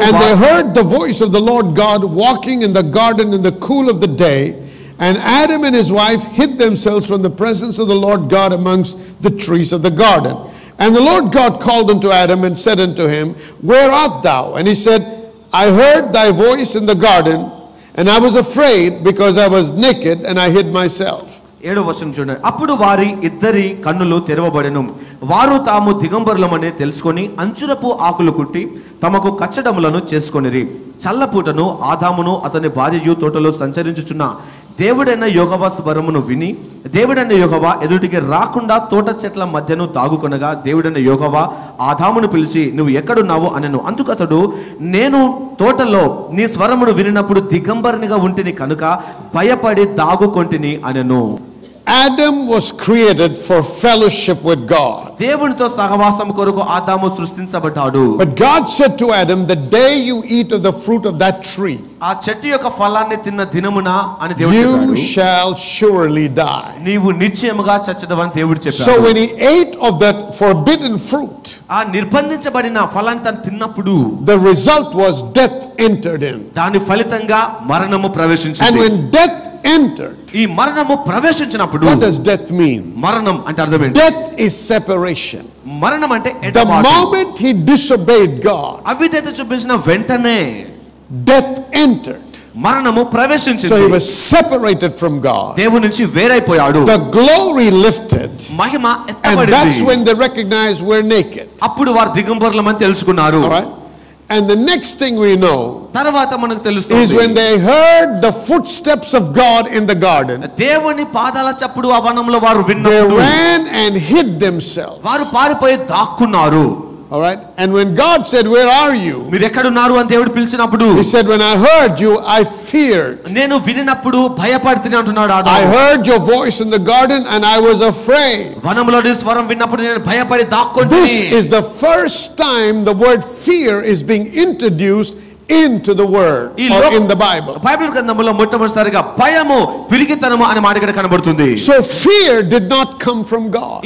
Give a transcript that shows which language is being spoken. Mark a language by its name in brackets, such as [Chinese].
[English] and they heard the voice of the Lord God walking in the garden in the cool of the day, and Adam and his wife hid themselves from the presence of the Lord God amongst the trees of the garden. And the Lord God called unto Adam and said unto him, where art thou? And he said, I heard thy voice in the garden, and I was afraid because I was naked and I hid myself. [Telugu] ఏడో వచనం చూడండి. అప్పుడు వారి ఇద్దరి కన్నులు తెరవబడెను. వారు తాము దిగంబరులమని తెలుసుకొని అంచురపు ఆకులు కుట్టి తమకు కచ్చటములను చేసుకొనిరి. చల్లపూటను ఆదామును అతని భార్యయు తోటలో సంచరించుచున్న దేవుడైన యెహోవా స్వరమును విని, దేవుడైన యెహోవా ఎదుటికి రాకుండా తోట చెట్ల మధ్యను తాగుకొనగా దేవుడైన యెహోవా ఆదామును పిలిచి, నువ్వు ఎక్కడున్నావు అనెను. అందుకు అతడు, నేను తోటలో నీ స్వరమును వినినప్పుడు దిగంబరునిగా ఉంటిని కనుక భయపడి తాగుకొంటిని అనెను. [English] Adam was created for fellowship with God. [Telugu] దేవునితో సహవాసం కొరకు ఆదాము సృష్టించబడ్డాడు. [English] But God said to Adam, the day you eat of the fruit of that tree, [Telugu] ఆ చెట్టు యొక్క ఫలాన్ని తిన్న దినమున అని దేవుడు చెప్పాడు, [English] you shall surely die. [Telugu] నీవు నిశ్చయముగా చచ్చదవని దేవుడు చెప్పాడు. [English] So when he ate of that forbidden fruit, [Telugu] ఆ నిర్బంధించబడిన ఫలాన్ని తను తిన్నప్పుడు, [English] the result was death entered in. [Telugu] దాని ఫలితంగా మరణము ప్రవేశించింది. [English] And when death entered, [Telugu] ee maranamu praveshinchinappudu, [English] what does death mean? [Telugu] Maranam ante ardham enti? [English] Death is separation. [Telugu] Maranam ante edamaru. [English] The moment he disobeyed God, [Telugu] avidhyata chupinchina ventane [English] death entered, [Telugu] మరణము ప్రవేశించింది. [English] So he was separated from God. [Telugu] దేవుని నుంచి వేరైపోయాడు. [English] The glory lifted. [Telugu] Mahima ఎత్తబడింది. [English] And that's when they recognized we're naked. [Telugu] అప్పుడు వారు దిగంబరులమని తెలుసుకున్నారు. [English] And the next thing we know [Telugu] తర్వాత మనకు తెలుస్తుంది [English] is when they heard the footsteps of God in the garden. [Telugu] దేవుని పాదాల చప్పుడు ఆ వనంలో వారు విన్నప్పుడు [English] they ran and hid themselves. [Telugu] వారు పారిపోయి దాక్కున్నారు. [English] All right, and when God said, where are you? [Telugu] మీరు ఎక్కడ ఉన్నారు అని దేవుడు పిలిచినప్పుడు [English] he said, when I heard you I feared. [Telugu] నేను విన్నప్పుడు భయపడితిని అంటున్నాడు ఆదాము. [English] I heard your voice in the garden and I was afraid. [Telugu] వనములో నీ స్వరం విన్నప్పుడు నేను భయపడి దాక్కుంటిని. [English] This is the first time the word fear is being introduced into the word or in the Bible. [Telugu] Bible గ్రంథములో మొట్టమొదటిసారిగా భయము పిరికితనము అనే మాట ఇక్కడ కనబడుతుంది. [English] So fear did not come from God.